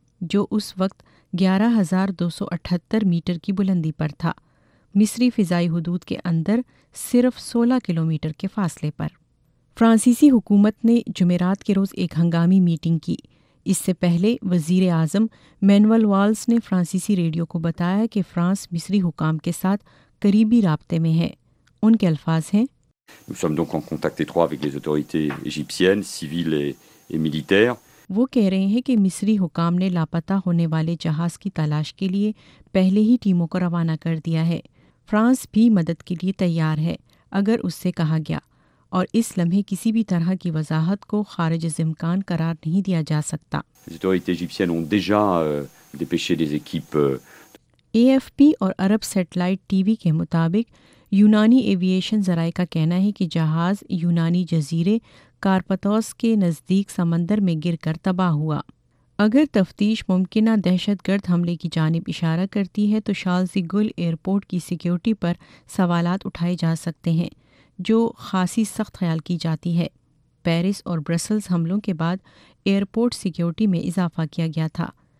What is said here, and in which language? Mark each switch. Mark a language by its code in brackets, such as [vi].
[ur] جو اس وقت 11,278 میٹر کی بلندی پر تھا، مصری فضائی حدود کے اندر صرف 16 کلومیٹر کے فاصلے پر۔ فرانسیسی حکومت نے جمعرات کے روز ایک ہنگامی میٹنگ کی۔ اس سے پہلے وزیر اعظم مینول والز نے فرانسیسی ریڈیو کو بتایا کہ فرانس مصری حکام کے ساتھ قریبی رابطے میں ہے۔ ان کے الفاظ ہیں، [fr] Nous sommes donc en contact étroit avec les autorités égyptiennes, civiles et militaires. [ur] وہ کہہ رہے ہیں کہ مصری حکام نے لاپتہ ہونے والے جہاز کی تلاش کے لیے پہلے ہی ٹیموں کو روانہ کر دیا ہے۔ فرانس بھی مدد کے لیے تیار ہے اگر اس سے کہا گیا، اور اس لمحے کسی بھی طرح کی وضاحت کو خارج از امکان قرار نہیں دیا جا سکتا۔ [fr] Les autorités égyptiennes ont déjà dépêché des équipes. [ur] AFP اور عرب سیٹلائٹ ٹی وی کے مطابق یونانی ایویشن ذرائع کا کہنا ہے کہ جہاز یونانی جزیرے کارپتوس کے نزدیک سمندر میں گر کر تباہ ہوا۔ اگر تفتیش ممکنہ دہشت گرد حملے کی جانب اشارہ کرتی ہے تو شارلز دی گول ایئرپورٹ کی سیکیورٹی پر سوالات اٹھائے جا سکتے ہیں، جو خاصی سخت خیال کی جاتی ہے۔ پیرس اور برسلز حملوں کے بعد ایئرپورٹ سیکیورٹی میں اضافہ کیا گیا تھا،